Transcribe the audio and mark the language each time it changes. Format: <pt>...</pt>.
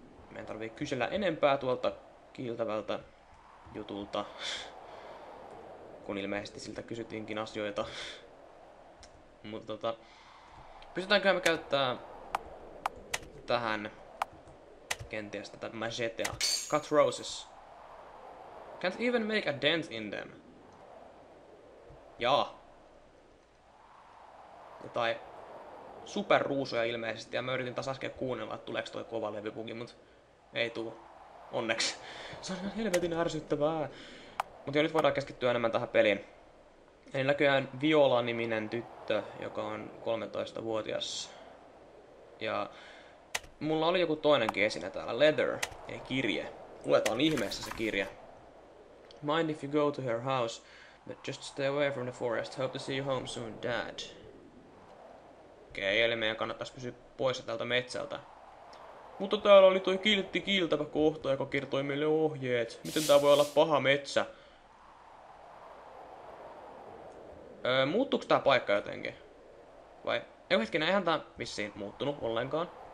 <fi>Meidän tarvii kysellä enempää tuolta kiiltävältä jutulta. Kun ilmeisesti siltä kysyttiinkin asioita. Mutta pystytäänkö me käyttää tähän kenties tätä machetea.</fi> <en>Cut roses. Can't even make a dent in them.</en> <fi>Jaa. Jotain superruusuja ilmeisesti. Ja mä yritin taas äsken kuunnella, että tuleeks toi kova levybugi, mut ei tuu. Onneksi. Se on ihan helvetin ärsyttävää. Mut jo nyt voidaan keskittyä enemmän tähän peliin. Eli näköjään Viola-niminen tyttö, joka on 13-vuotias. Ja mulla oli joku toinenkin esine täällä, Leather, ei kirje. Luetaan ihmeessä se kirje.</fi> <en>Mind if you go to her house, but just stay away from the forest. Hope to see you home soon, Dad.</en> <fi>Okei, eli meidän kannattaisi pysyä pois tältä metsältä. Mutta täällä oli toi kiltti kiiltävä kohta, joka kertoi meille ohjeet. Miten tää voi olla paha metsä? Muuttuuko tää paikka jotenkin? Vai? Ei hetkinen, eihän tää vissiin muuttunut ollenkaan.</fi>